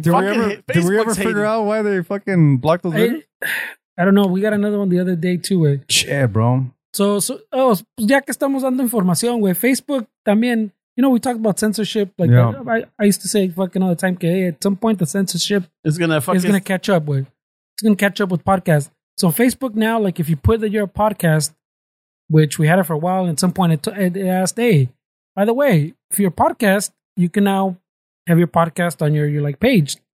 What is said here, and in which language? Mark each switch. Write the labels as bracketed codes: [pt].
[en] Did we ever figure out why they fucking blocked those videos? I don't know. We got another one the other day, too, güey. Yeah, bro. [es] So, ya que estamos dando información, güey, Facebook también... [en] You know, we talked about censorship. Like, I used to say fucking all the time, okay, at some point, the censorship is going to catch up with. It's going to catch up with podcasts. So Facebook now, like, if you put that you're a podcast, which we had it for a while, and at some point it asked, hey, by the way, if you're a podcast, you can now have your podcast on your like, page.